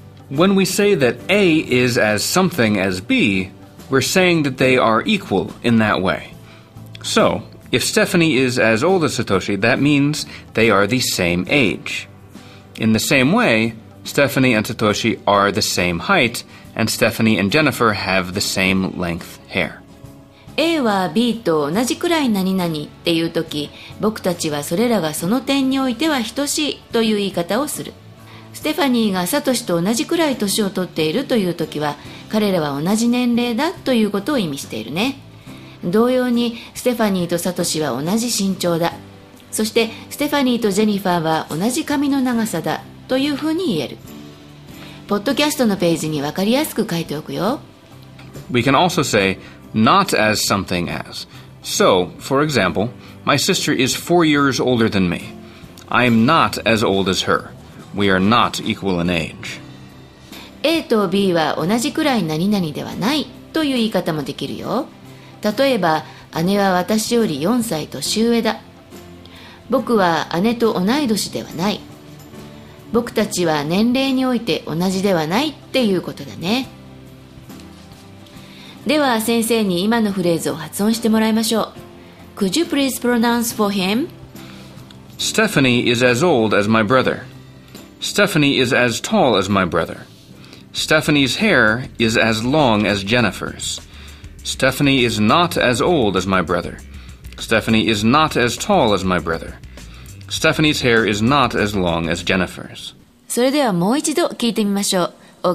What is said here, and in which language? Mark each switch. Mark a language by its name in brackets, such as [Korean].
[English] When we say that A is as something as B, we're saying that they are equal in that way. So, if Stephanie is as old as Satoshi, that means they are the same age. In the same way, Stephanie and Satoshi are the same height, and Stephanie and Jennifer have the same length hair. [Japanese] A は B と同じくらい何々っていうとき、僕たちはそれらがその点においては等しいという言い方をする。ステファニーがサトシと同じくらい年を取っているというときは、彼らは同じ年齢だということを意味しているね。同様にステファニーとサトシは同じ身長だ。そしてステファニーとジェニファーは同じ髪の長さだというふうに言える。ポッドキャストのページに分かりやすく書いておくよ。 We can also say not as something as. So, for example, my sister is 4 years older than me. I am not as old as her. We are not equal in age. A と B は同じくらい何々ではないという言い方もできるよ。例えば、姉は私より4歳年上だ。僕は姉と同い年ではない。僕たちは年齢において同じではないっていうことだね。では先生に今のフレーズを発音してもらいましょう。 [English] Could you please pronounce for him? Stephanie is as old as my brother. Stephanie is as tall as my brother. Stephanie's hair is as long as Jennifer's. Stephanie is not as old as my brother. Stephanie is not as tall as my brother. Stephanie's hair is not as long as Jennifer's. [Japanese] それではもう一度聞いてみましょう。